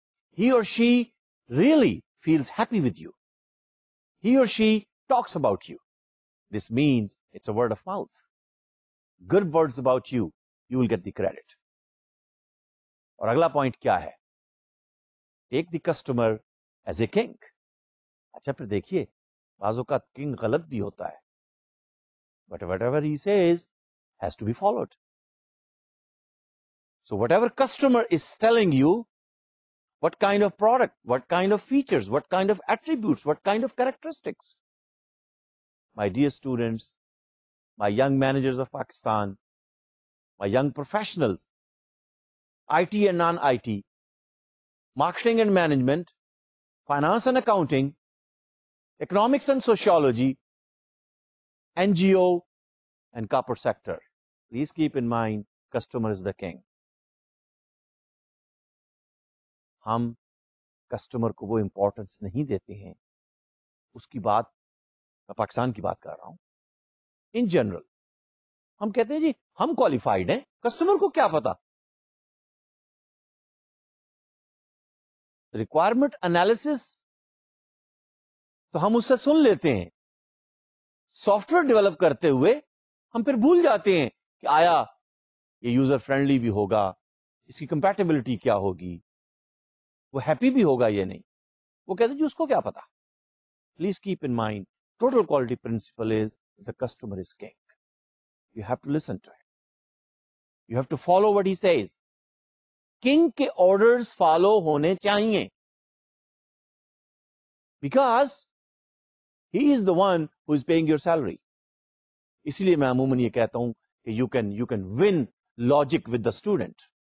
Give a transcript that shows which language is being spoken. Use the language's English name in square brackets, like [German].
[English] He or she really feels happy with you. He or she talks about you. This means it's a word of mouth. Good words about you, you will get the credit. اور اگلا point کیا ہے؟ Take the customer as a king. [Urdu] اچھا پھر دیکھیے بعض اوقات king غلط بھی ہوتا ہے, but what ever he Cs has to be followed. [English] So whatever customer is telling you what kind of product, what kind of features, what kind of attributes, what kind of characteristics. My dear students, my young managers of Pakistan, my young professionals, IT and non-IT, marketing and management, finance and accounting, economics and sociology, NGO and corporate sector, please keep in mind, customer is the king. [Urdu] ہم customer کو وہ importance نہیں دیتے ہیں. اس کی بات میں پاکستان کی بات کر رہا ہوں. ان جنرل ہم کہتے ہیں جی ہم کوالیفائیڈ ہیں, کسٹمر کو کیا پتا. ریکوائرمنٹ انالیسس تو ہم اس سے سن لیتے ہیں, سافٹ ویئر ڈیولپ کرتے ہوئے ہم پھر بھول جاتے ہیں کہ آیا یہ یوزر فرینڈلی بھی ہوگا, اس کی کمپیٹیبلٹی کیا ہوگی, وہ ہیپی بھی ہوگا یا نہیں. وہ کہتے ہیں جی اس کو کیا پتا. [English] Please keep in mind total quality principle is the customer is king. You have to listen to him, you have to follow what he says. King کے orders follow ہونے چاہیے because he is the one who is paying your salary. [Urdu] اسی لیے میں عموماً یہ کہتا ہوں کہ you can one logic with the student.